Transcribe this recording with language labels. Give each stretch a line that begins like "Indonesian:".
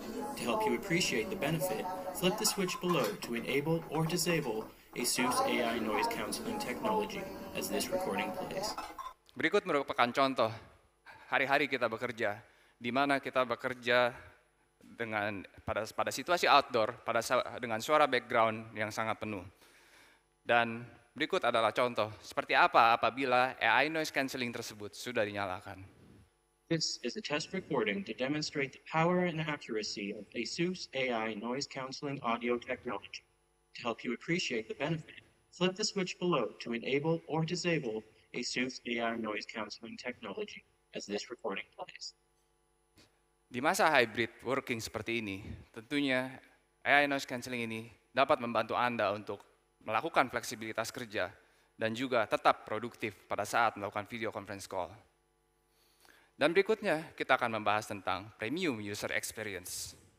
English: To help you appreciate the benefit, flip the switch below to enable or disable Asus AI noise canceling technology as this recording plays.
Indonesian: Berikut merupakan contoh hari-hari kita bekerja, di mana kita bekerja dengan pada situasi outdoor, dengan suara background yang sangat penuh. Dan berikut adalah contoh seperti apa apabila AI noise cancelling tersebut sudah dinyalakan.
English: This is a test recording to demonstrate the power and accuracy of Asus AI noise cancelling audio technology. To help you appreciate the benefit, flip the switch below to enable or disable Asus AI noise cancelling technology as this recording plays.
Indonesian: Di masa hybrid working seperti ini, tentunya AI noise cancelling ini dapat membantu Anda untuk melakukan fleksibilitas kerja dan juga tetap produktif pada saat melakukan video conference call. Dan berikutnya kita akan membahas tentang premium user experience.